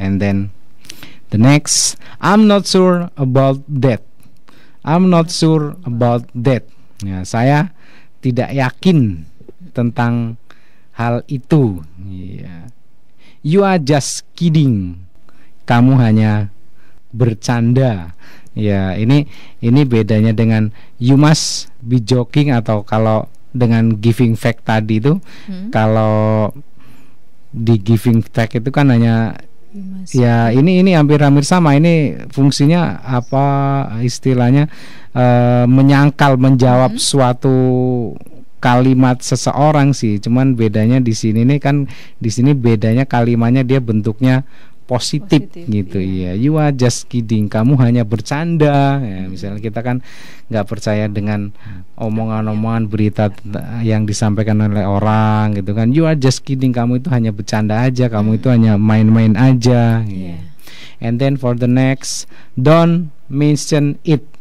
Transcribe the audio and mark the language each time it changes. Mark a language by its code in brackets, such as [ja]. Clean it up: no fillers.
[en] And then the next, I'm not sure about that. I'm not sure about that. [id] Ya, saya tidak yakin tentang hal itu. Iya. [en] You are just kidding. [id] Kamu hanya bercanda. Ya, ini bedanya dengan [en] you must be joking [id] atau kalau dengan [en] giving fact [id] tadi itu. Hmm? Kalau di [en] giving fact [id] itu kan hanya ya ini hampir sama. Ini fungsinya apa istilahnya menyangkal menjawab suatu kalimat seseorang sih. Cuman bedanya di sini nih kan di sini bedanya kalimatnya dia bentuknya positif gitu ya. [en] You are just kidding. [id] Kamu hanya bercanda. Ya, misalnya kita kan nggak percaya dengan omongan-omongan berita yang disampaikan oleh orang gitu kan. [en] You are just kidding. [id] Kamu itu hanya bercanda aja. Kamu itu hanya main-main aja. Yeah. [en] And then for the next, don't mention it.